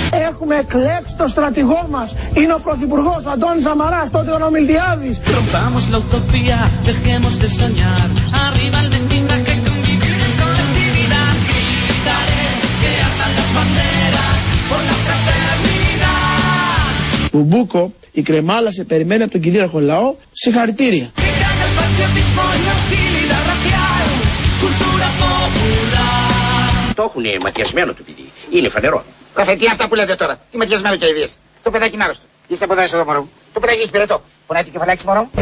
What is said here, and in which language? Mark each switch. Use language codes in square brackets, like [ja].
[el] Έχουμε εκλέξει το στρατηγό μας. Είναι ο πρωθυπουργός ο Αντώνης Σαμαράς. Τότε ο Μιλτιάδης. [es] Rompamos la utopía, dejemos de soñar. Arriba el destino que convivir en colectividad. Gritaré que ardan las banderas por la fraternidad. [el] Μπουμπούκο, η κρεμάλα σε περιμένει από τον κυρίαρχο λαό. Συγχαρητήρια. Το έχουν ματιασμένο το παιδί. Είναι φανερό. Καφέ, τι είναι αυτά που λέτε τώρα. Τι ματιασμένο και ιδίες. Το παιδάκι είναι άρρωστο. Είστε από εδώ, είσαι εδώ, μωρό μου. Το παιδάκι έχει πυρετό. Πονάει το κεφαλάκι, μωρό μου.